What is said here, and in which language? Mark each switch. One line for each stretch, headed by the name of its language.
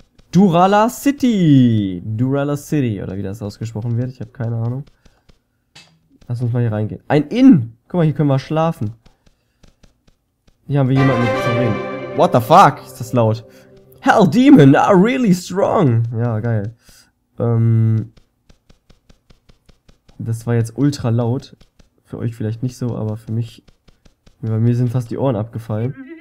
German: Durala City! Durala City, oder wie das ausgesprochen wird. Ich habe keine Ahnung. Lass uns mal hier reingehen. Ein Inn! Guck mal, hier können wir schlafen. Hier haben wir jemanden zu reden.
English: What the fuck?
German: Ist das laut?
English: Hell Demon are really strong.
German: Ja, geil. Das war jetzt ultra laut. Für euch vielleicht nicht so, aber für mich... Bei mir sind fast die Ohren abgefallen.